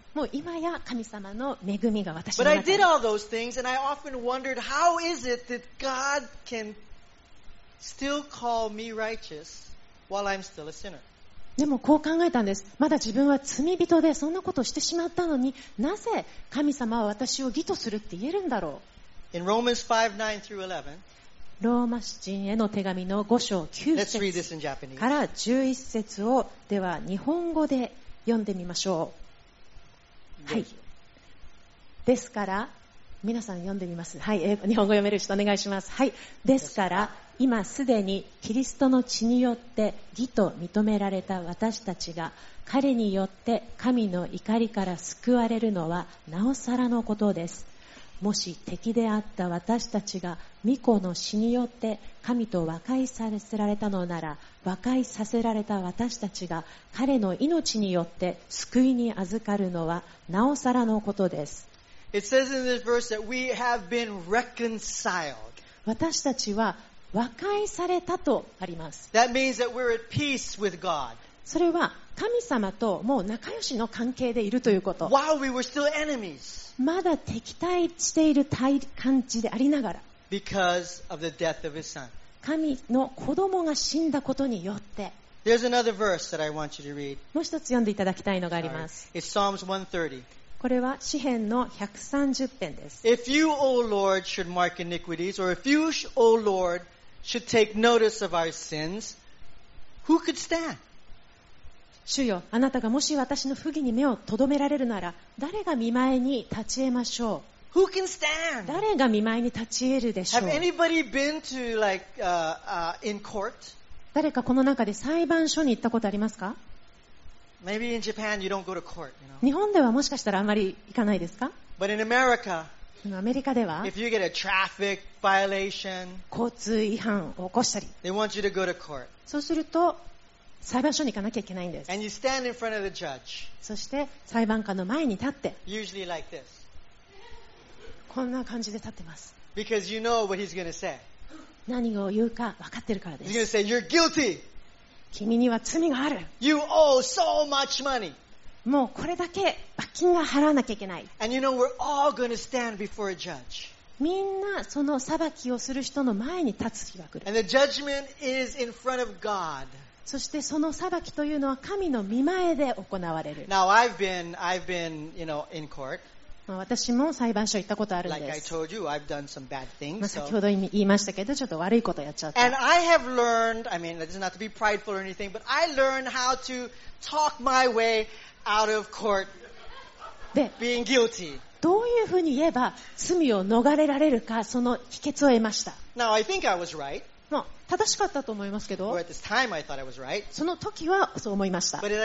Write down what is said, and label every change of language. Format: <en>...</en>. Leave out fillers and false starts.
<ja>もう今や神様の恵みが私の中に。</ja> <en>But I did all those things, and I often wondered, how is it that God can still call me righteous while I'm still a sinner?</en> <ja>でもこう考えたんです。まだ自分は罪人でそんなことをしてしまったのに、なぜ神様は私を義とするって言えるんだろう。</ja> <en>In Romans 5:9-11.</en> <ja>ローマ人への手紙の5章9節から11節をでは日本語で読んでみましょう。はい。ですから皆さん読んでみます、はい、日本語読める人お願いします、はい、ですから今すでにキリストの血によって義と認められた私たちが彼によって神の怒りから救われるのはなおさらのことです。もし敵であった私たちが御子の死によって神と和解させられたのなら、和解させられた私たちが彼の命によって救いに預かるのはなおさらのことです。</ja> <en>It says in this verse that we have been reconciled.</en> <ja>私たちは和解されたとあります。</ja> <en>That means that we're at peace with God.</en> <ja>それは神様ともう仲良しの関係でいるということ。</ja> <en>While we were still enemies.</en> <ja>まだ敵対している感じでありながら。</ja> <en>Because of the death of his son.</en> <ja>神の子供が死んだことによって。</ja> <en>There's another verse that I want you to read.</en> <ja>もう一つ読んでいただきたいのがあります。</ja> <en>It's Psalms 130.</en> <ja>これは詩編の130編です。</ja> <en>If you, O Lord, should mark iniquities, or if you, O Lord, should take notice of our sins, who could stand?</en> <ja>主よ、あなたがもし私の不義に目をとどめられるなら、誰が見前に立ち得ましょう。</ja> <en>Who can stand?</en> <ja>誰が見前に立ち得るでしょう。</ja> <en>Have anybody been to like, in court?</en> <ja>誰かこの中で裁判所に行ったことありますか？</ja> <en>Maybe in Japan you don't go to court, you know?</en> <ja>日本ではもしかしたらあんまり行かないですか？</ja> <en>But in America,</en> <ja>アメリカでは</ja> <en>if you get a traffic violation,</en> <ja>交通違反を起こしたり</ja> <en>they want you to go to court.</en> <ja>そうすると裁判所に行かなきゃいけないんです。</ja> <en>And you stand in front of the judge.</en> <ja>そして裁判官の前に立って</ja> <en>Usually like this.</en> <ja>こんな感じで立ってます。</ja> <en>Because you know what he's going to say.</en> <ja>何を言うか分かってるからです。</ja> <en>He's going to say, you're guilty!</en> <ja>君には罪がある。</ja> <en>You owe so much money.</en> <ja>もうこれだけ罰金が払わなきゃいけない。</ja> <en>And you know, we're all gonna stand before a judge.</en> <ja>みんなその裁きをする人の前に立つ日が来る。</ja> <en>And the judgment is in front of God.</en> <ja>そしてその裁きというのは神の御前で行われる。</ja> <en>Now I've been, you know, in court.</en> <ja>私も裁判所行ったことあるんです。先ほど言いましたけど、ちょっと悪いことやっちゃった。</ja> <en>And I have learned, I mean, this is not to be prideful or anything, but I learned how to talk my way out of court being guilty.</en> <ja>どういうふうに言えば罪を逃れられるか、その秘訣を得ました。</ja> <en>Now I think I was right.</en> <ja>まあ、正しかったと思いますけど、その時はそう思いました。</ja>